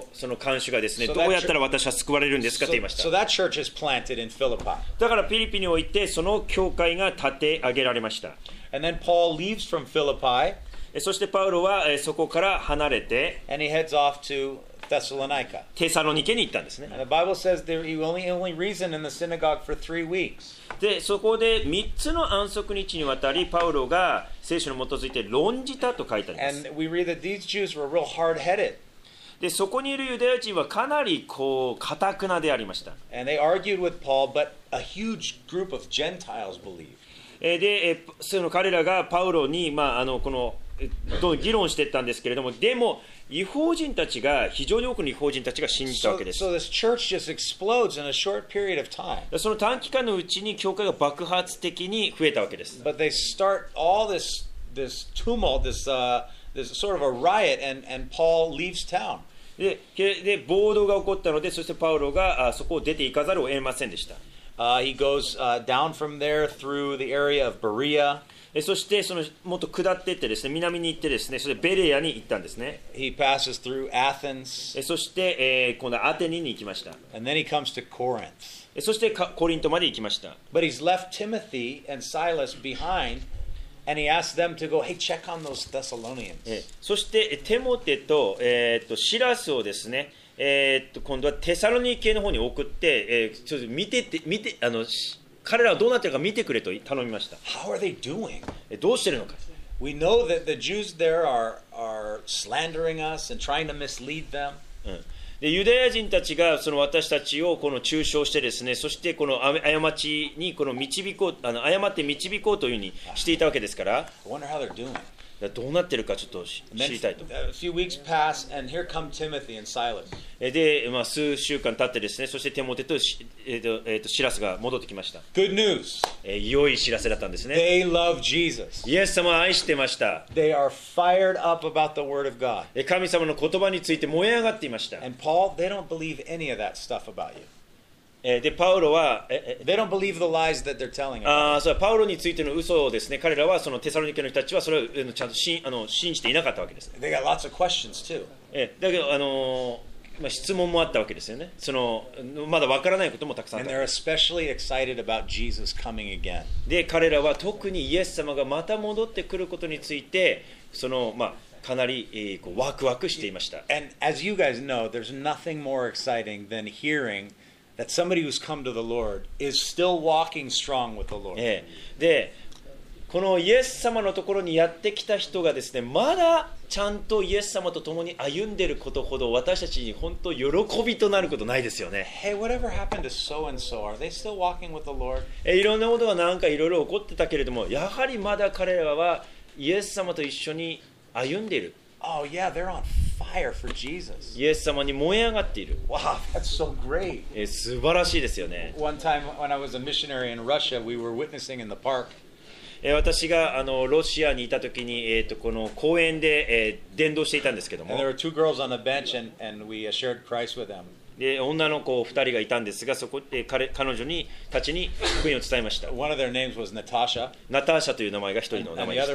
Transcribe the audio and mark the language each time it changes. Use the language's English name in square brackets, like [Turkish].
[Japanese] でその慣習によってですね、この捕らえられてですね、でも地震が起こりまして、そして、その慣習がですね、どうやったら私は救われるんですかと言いました。 [English] So that church is planted in Philippi. [Japanese] だからピリピにおいてその教会が立て上げられました。 [English] And then Paul leaves from Philippi. [Japanese] そしてパウロはそこから離れて、 [English] And he heads off to Thessalonica. [Japanese] テサロニケに行ったんですね。 [English] And the Bible says there he only reasoned in the synagogue for 3 weeks. [Japanese] で、そこで3つの安息日にわたり、パウロが聖書に基づいて論じたと書いてあります。 [English] And we read that these Jews were real hard-headed. [Japanese] でそこにいるユダヤ人はかなりこう固くなでありました。 [English] And they argued with Paul, but a huge group of Gentiles believed. [Japanese] でその彼らがパウロに、まあ、あのこのどう議論していったんですけれども、でも異邦人たちが、非常に多くの異邦人たちが信じたわけです。 [English] So this church just explodes in a short period of time. [Japanese] その短期間のうちに教会が爆発的に増えたわけです。 [English] But they start all this tumult, this sort of a riot, and Paul leaves town. [Japanese] で暴動が起こったので、そしてパウロがそこを出て行かざるを得ませんでした。 [English] He goes down from there through the area of Berea. [Japanese] そしてそのもっと下っていってですね、南に行ってですね、それベレアに行ったんですね。 [English] He passes through Athens. [Japanese] そして、今度アテネに行きました。 [English] And then he comes to Corinth. [Japanese] そしてコリントまで行きました。 [English] But he's left Timothy and Silas behind, and he asks them to go, hey, check on those Thessalonians. [Japanese] そしてテモテと、シラスをですね、今度はテサロニケの方に送って、ちょっと見てあの彼らはどうなっているか見てくれと頼みました。 [English] How are they doing? [Japanese] どうしているのか。 [English] We know that the Jews there are slandering us and trying to mislead them.、 [Japanese] うん、でユダヤ人たちがその私たちをこの中傷してですね、そしてこの過ちにこの導こう、あの誤って導こうというふうにしていたわけですから。 [English] I wonder how they're doing. [Japanese] どうなってるかちょっと知りたいと。 [English] A few weeks pass, and here come Timothy and Silas. [Japanese] で、まあ、数週間経ってですね、そしてテモテとシラスが戻ってきました。 [English] Good news. [Japanese] 良い知らせだったんですね。 [English] They love Jesus. [Japanese] イエス様を愛してました。 [English] They are fired up about the word of God. [Japanese] 神様の言葉について燃え上がっていました。 [English] And Paul, they don't believe any of that stuff about you. [Japanese] でパウロは [English] they don't believe the lies that they're telling about. [Japanese] そうパウロについての嘘をですね、彼らはそのテサロニケの人たちはそれをちゃんと信じていなかったわけです。 [English] They got lots of questions too. [Japanese] だけど、質問もあったわけですよね。そのまだわからないこともたくさんあった。 [English] And they're especially excited about Jesus coming again. [Japanese] で彼らは特にイエス様がまた戻ってくることについてそのまあかなり、こうワクワクしていました。 [English] And as you guys know, there's nothing more exciting than hearingThat somebody who's come to the Lord is still walking strong with the Lord. [Japanese] で、このイエス様のところにやってきた人がですね、まだちゃんとイエス様と共に歩んでることほど私たちに本当喜びとなることないですよね。 [English] Hey, whatever happened to so and so? Are they still walking with the Lord? [Japanese] いろんなことがなんかいろいろ起こってたけれども、やはりまだ彼らはイエス様と一緒に歩んでいる。 [English] Oh yeah, they're on fire for Jesus. [Japanese] イエス様に燃え上がっている。 [English] Wow, that's so great. [Japanese] 素晴らしいですよね。 [English] One time when I was a missionary in Russia, we were witnessing in the park. [Japanese] 私があのロシアにいた時に、この公園で、伝道していたんですけども。 [English] And there were two girls on the bench, and we shared Christ with them. [Japanese] で女の子2人がいたんですが、そこで彼女にたちに福音を伝えました。 [English] One of their names was Natasha. [Japanese] ナターシャという名前が一人の名前でした。